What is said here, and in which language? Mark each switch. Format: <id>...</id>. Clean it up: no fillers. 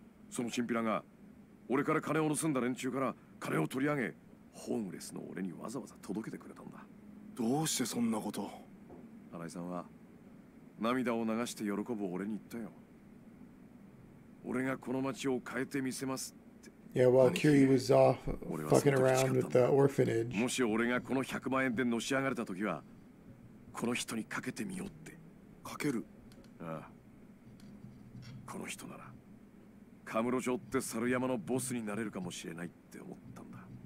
<ja>そのチンピラが俺から金を盗んだ連中から金を取り上げホームレスの俺にわざわざ届けてくれたんだ。どうしてそんなこと？新井さんは涙を流して喜ぶ俺に言ったよ。俺がこの町を変えてみせますって。</ja> <en>Yeah, while Kiri was off fucking around with the orphanage.</en> <ja>もし俺がこの100万円でのし上がれた時は、この人にかけてみようって。かける？ああ。この人なら、カムロ城って猿山のボスになれるかもしれないって思ったんだ。</ja>